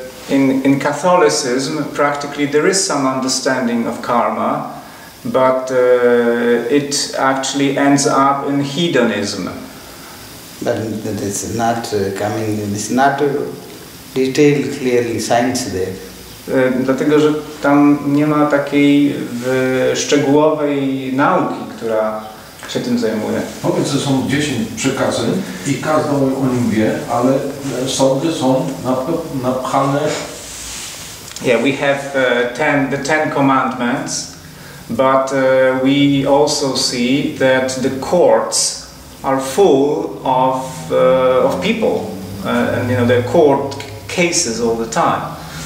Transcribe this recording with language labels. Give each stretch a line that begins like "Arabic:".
English: In Catholicism, practically there is some understanding of karma, but it actually ends up in hedonism. But it's not coming, it's not detailed clearly science there.
Polish: Dlatego, że tam nie ma takiej szczegółowej nauki, która się tym zajmuje. Powiedz, że są 10 przykazy i każdą o nim wie, ale sądy są napchane.
English: Yeah, we have the 10 commandments, but we also see that the courts are full of people, and you know the court cases all the time.